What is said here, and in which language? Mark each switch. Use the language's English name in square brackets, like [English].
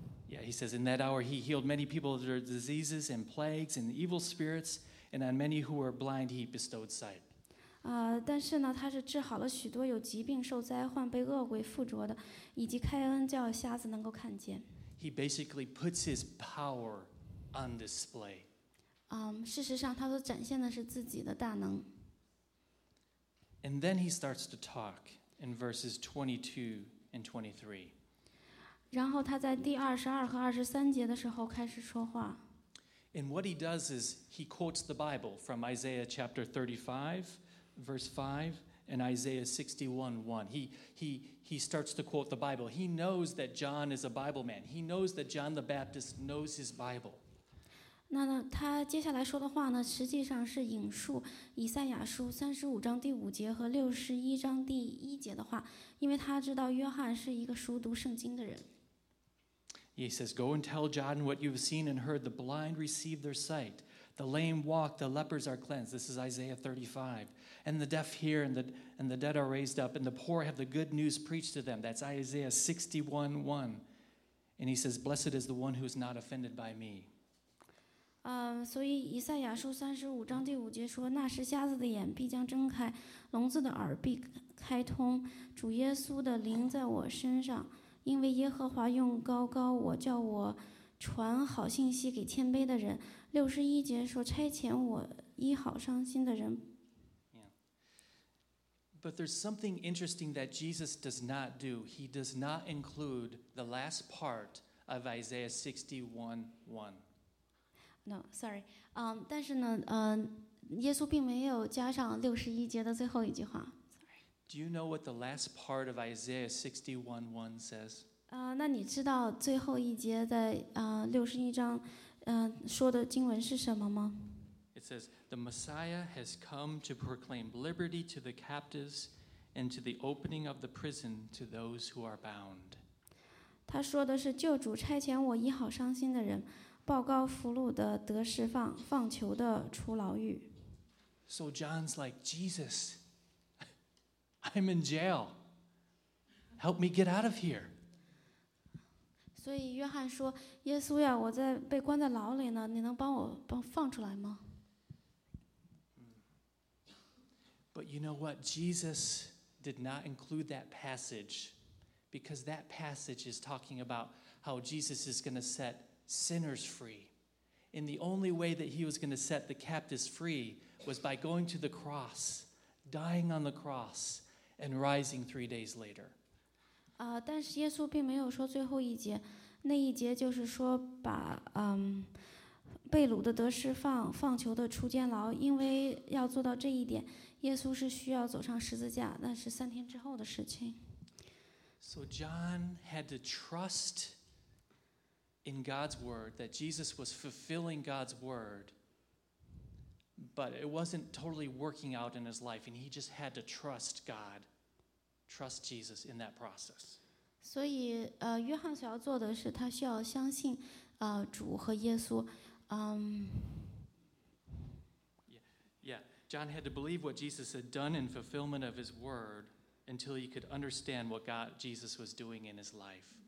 [English] Yeah, he says, in that hour he healed many people of their diseases and plagues and evil spirits, and on many who were blind he bestowed sight. [Chinese] 但是呢，他是治好了许多有疾病、受灾患、被恶鬼附着的，以及开恩叫瞎子能够看见。 [English] He basically puts his power on display. [Chinese] 事实上，他所展现的是自己的大能。 [English] And then he starts to talk in verses 22 and 23. [Chinese] 然后他在第二十二和二十三节的时候开始说话。 [English] And what he does is he quotes the Bible from Isaiah chapter 35. Verse 5 and Isaiah 61:1. He starts to quote the Bible. He knows that John is a Bible man. He knows that John the Baptist knows his Bible. [Chinese] 那他接下来说的话呢，实际上是引述以赛亚书35章第5节和61章第1节的话，因为他知道约翰是一个熟读圣经的人。 [English] He says, "Go and tell John what you've seen and heard. The blind receive their sight. The lame walk, the lepers are cleansed. This is Isaiah 35. And the deaf hear, and the dead are raised up, and the poor have the good news preached to them. That's Isaiah 61:1. And he says, Blessed is the one who is not offended by me. [Chinese] 所以以赛亚书35章第5节说，那时瞎子的眼必将睁开，聋子的耳必开通，主耶稣的灵在我身上，因为耶和华用膏膏我，叫我传好信息给谦卑的人。六十一节说差遣我医好伤心的人。 [English] But there's something interesting that Jesus does not do. He does not include the last part of Isaiah 61:1. No, sorry. [Chinese] 但是呢，耶稣并没有加上六十一节的最后一句话。 [English] Do you know what the last part of Isaiah 61:1 says? [Chinese] 那你知道最后一节在六十一章？说的经文是什么吗？ [English] It says, The Messiah has come to proclaim liberty to the captives and to the opening of the prison to those who are bound. [Chinese] 他说的是救主差遣我医好伤心的人，报告俘虏的得释放，放囚的出牢狱。 [English] So John's like, Jesus, I'm in jail. Help me get out of here. [Chinese] 所以约翰说，耶稣呀，我在被关在牢里呢，你能帮我放出来吗？ [English] But you know what? Jesus did not include that passage Because that passage is talking about how Jesus is going to set sinners free. And the only way that he was going to set the captives free was by going to the cross, dying on the cross, and rising 3 days later. [Chinese] 但是耶稣并没有说最后一节，那一节就是说把被掳的得释放，放囚的出监牢，因为要做到这一点，耶稣是需要走上十字架，那是三天之后的事情。 [English] So John had to trust in God's word that Jesus was fulfilling God's word, but it wasn't totally working out in his life, and he just had to trust God. Trust Jesus in that process. [Chinese] 所以，约翰所要做的是，他需要相信，主和耶稣， [English] Yeah. John had to believe what Jesus had done in fulfillment of his word until he could understand what God Jesus was doing in his life.